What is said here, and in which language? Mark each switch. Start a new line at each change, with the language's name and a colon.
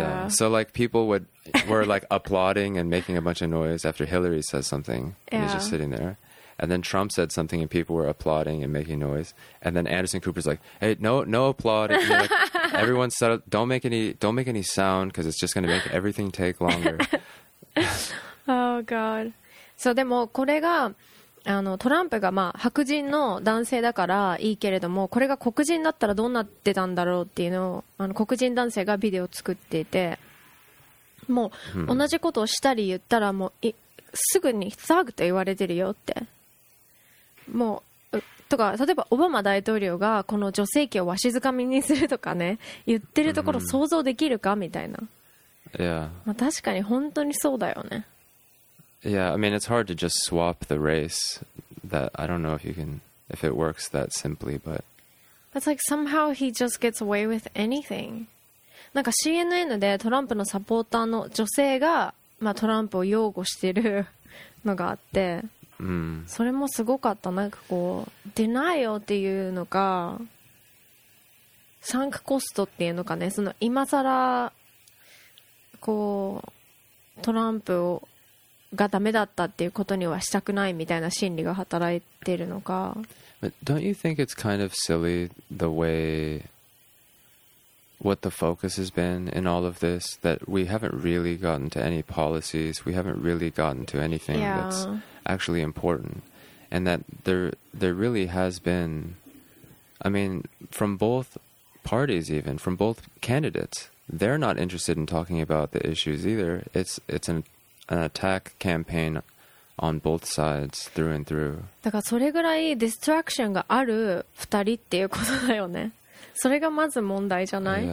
English: So like people were like applauding and making a bunch of noise after Hillary says something. And he's just sitting there. And then Trump said something and people were applauding and making noise. And then Anderson Cooper's like, hey, no applauding. Like, everyone said, don't make any sound because it's just going to make everything take longer. Oh, God.
Japanese: So, でもこれがトランプが、まあ、白人の男性だからいいけれども、これが黒人だったらどうなってたんだろうっていうのを黒人男性がビデオを作っていて、もう同じことをしたり言ったらもうすぐにサグと言われてるよって、もうとか、例えばオバマ大統領がこの女性器をわしづかみにするとかね、言ってるところ想像できるかみたいな。いや、まあ、確かに本当にそうだよね。いや、
English: I mean, it's hard to just swap the race. That I don't know if it works that simply, but it's like somehow he just gets away with anything.
Japanese: なんか CNN でトランプのサポーターの女性が、まあ、トランプを擁護してるのがあって、それもすごかった。なんかこうデナイオっていうのか、サンクコストっていうのかね、その今さらこうトランプをがダメだったっていうことにはしたくないみたいな心理が働いてるのか。
English: But don't you think it's kind of silly the way what the focus has been in all of this, that we haven't really gotten to any policies, we haven't really gotten to anything、 yeah. that's actually important, and that there really has been, I mean, from both parties, even from both candidates, they're not interested in talking about the issues either. It's an attack campaign on both sides through and through.
Japanese: だからそれぐらいディストラクションがある二人っていうことだよね。それがまず問題じゃない。